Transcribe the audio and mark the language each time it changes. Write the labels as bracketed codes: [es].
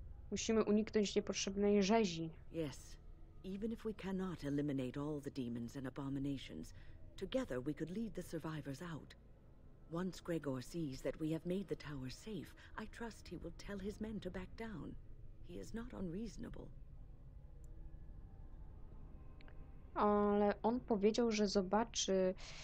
[pl] Musimy uniknąć niepotrzebnej rzezi. [en] Yes. Even if we cannot eliminate all the demons and abominations, together we could lead the survivors out. Once Gregor sees that we have made the tower safe, I trust he will tell his men to back down. He is not unreasonable. [pl] Ale on powiedział, że zobaczy...